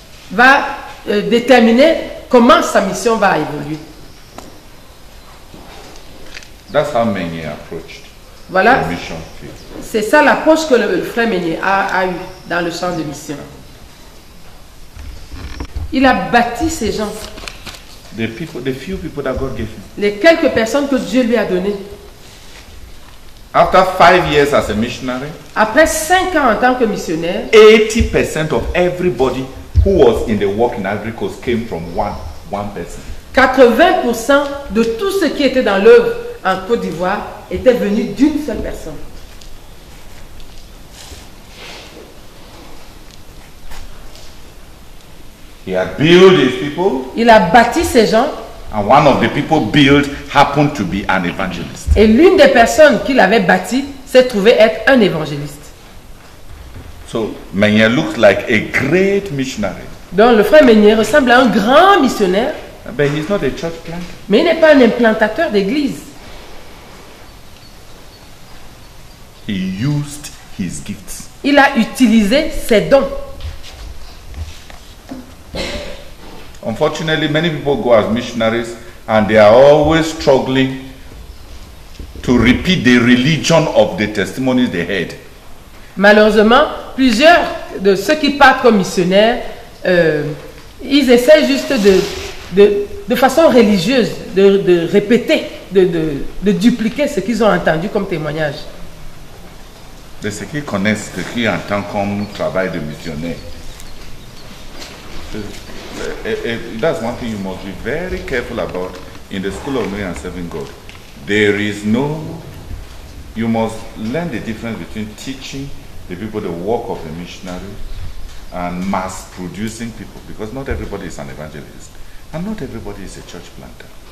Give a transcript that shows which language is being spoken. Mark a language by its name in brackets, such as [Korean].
[French] Va déterminer comment sa mission va évoluer. [English] That's how Meunier approached. [French] Voilà. C'est ça l'approche que le frère Meunier a eu dans le champ de mission. Il a bâti ces gens. [English] The people, the few people that God gave him. [French] Les quelques personnes que Dieu lui a données. [English] After 5 years as a missionary. [French] Après 5 ans en tant que missionnaire. [English] 80% of everybody who was in the work in Ivory Coast came from one person. [French] 80% de tout ce qui était dans l'œuvre en Côte d'Ivoire était venu d'une seule personne. [English] He had built his people. [French] Il a bâti ces gens. [English] And one of the people built happened to be an evangelist. [French] Et l'une des personnes qu'il avait bâti s'est trouvée être un évangéliste. [English] So Meunier looks like a great missionary. [French] Donc le frère Meunier ressemble à un grand missionnaire. [English] But he's not a church planter. [French] Mais il n'est pas un implantateur d'église. [English] He used his gifts. [French] Il a utilisé ses dons. [English] Unfortunately, many people go as missionaries and they are always struggling to repeat the religion of the testimonies they heard. [French] Malheureusement, plusieurs de ceux qui partent comme missionnaires, ils essaient juste de façon religieuse de répéter, de dupliquer ce qu'ils ont entendu comme témoignage. De ceux qui connaissent, ceux qui entendent comme travail de missionnaire. [English] That's one thing you must be very careful about in the school of knowing and serving God. There is no, you must learn the difference between teaching the people the work of a missionary and mass producing people, because not everybody is an evangelist and not everybody is a church planter.